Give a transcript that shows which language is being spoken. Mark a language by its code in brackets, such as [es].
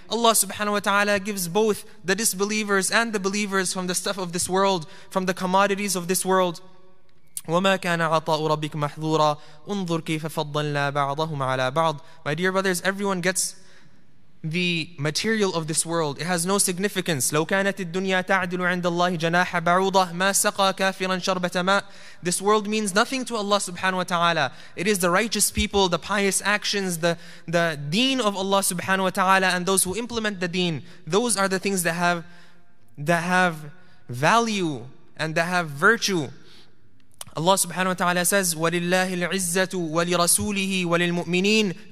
[en] Allah subhanahu wa ta'ala gives both the disbelievers and the believers from the stuff of this world, from the commodities of this world. [ar] وَمَا كَانَ عَطَاءُ رَبِّكَ مَحْظُورًا أُنظُرْ كَيْفَ فَضَّلْنَا بَعْضَهُمْ عَلَى بَعْضٍ. [en] My dear brothers, everyone gets the material of this world, it has no significance. [ar] لو كانت الدنيا تعدل عند الله جناح بعوضة ما سقى كافرا شربة ماء. [en] This world means nothing to Allah subhanahu wa ta'ala. It is the righteous people, the pious actions, the deen of Allah subhanahu wa ta'ala, and those who implement the deen. Those are the things that have value and that have virtue. Allah subhanahu wa ta'ala says, [ar] وَلِلَّهِ الْعِزَّةُ وَلِرَسُولِهِ وَلِلْمُؤْمِنِينَ.